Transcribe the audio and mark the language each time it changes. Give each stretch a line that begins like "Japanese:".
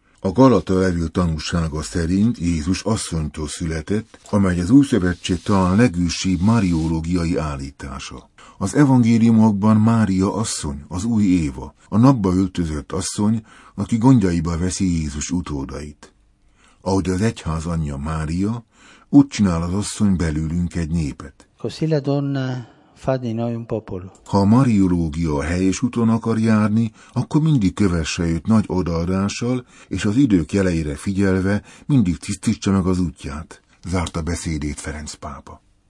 Hungarian: A Galata levél tanúsága szerint Jézus asszonytól született, amely az új szövetség talán legősibb mariológiai állítása. Az evangéliumokban Mária asszony, az új Éva, a napba öltözött asszony, aki gondjaiba veszi Jézus utódait. Ahogy az egyház anyja Mária, úgy csinál az asszony belülünk egy népet.
Italian: Così la donna fa di noi un popolo.
Hungarian: Ha a mariológia a helyes úton akar járni, akkor mindig kövesse őt nagy odaadással, és az idők jeleire figyelve mindig tisztítsa meg az útját, zárta beszédét Ferenc pápa.